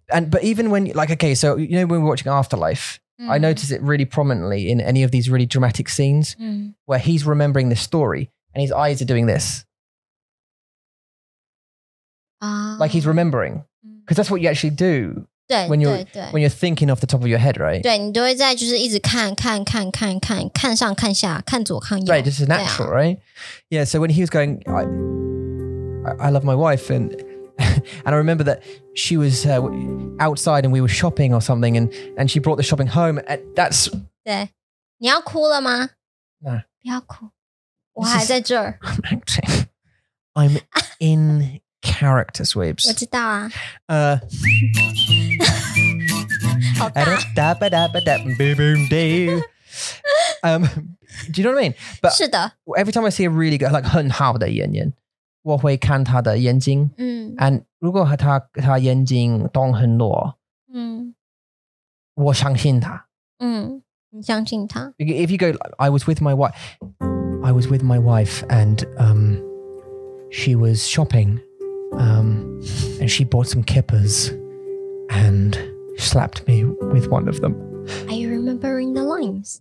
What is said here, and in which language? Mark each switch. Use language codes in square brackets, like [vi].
[en] But even when, like, okay, so you know when we're watching Afterlife, I notice it really prominently in any of these really dramatic scenes where he's remembering the story and his eyes are doing this. Like he's remembering. Because that's what you actually do when you're thinking off the top of your head, right? [zh] 对，你都会在就是一直看看看看看看上看下看左看右。 [en] Right, this is natural, right? Yeah, so when he was going, I love my wife and I remember that she was outside and we were shopping or something and she brought the shopping home. And that's... [zh] 对。你要哭了吗？ [en] No. [zh] 不要哭。我还在这儿。 [en] I'm acting. I'm in character, Sweeps. [zh] 我知道啊。好大。 [en] Da ba da ba da boom boom day. Do you know what I mean? [zh] But 是的。 [en] Every time I see a really good, like, [zh] 很好的演员。我会看他的眼睛and 如果他眼睛动很多我相信他你相信他 [en] If you go, I was with my wife, and she was shopping and she bought some kippers and slapped me with one of them. Are you remembering the lines?